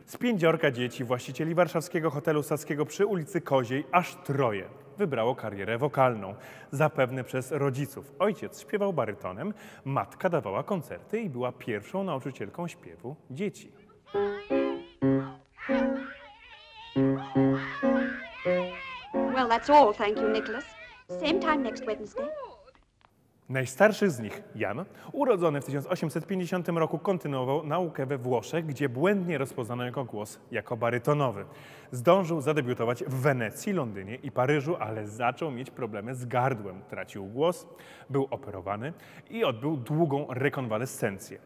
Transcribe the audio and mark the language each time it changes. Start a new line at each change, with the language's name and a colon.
Polish: Z pięciorka dzieci właścicieli warszawskiego hotelu Saskiego przy ulicy Koziej aż troje wybrało karierę wokalną. Zapewne przez rodziców. Ojciec śpiewał barytonem, matka dawała koncerty i była pierwszą nauczycielką śpiewu dzieci.
English: Well, that's all, thank you, Nicholas. Same time next Wednesday.
Polish: Najstarszy z nich, Jan, urodzony w 1850 roku, kontynuował naukę we Włoszech, gdzie błędnie rozpoznano jego głos jako barytonowy. Zdążył zadebiutować w Wenecji, Londynie i Paryżu, ale zaczął mieć problemy z gardłem. Tracił głos, był operowany i odbył długą rekonwalescencję.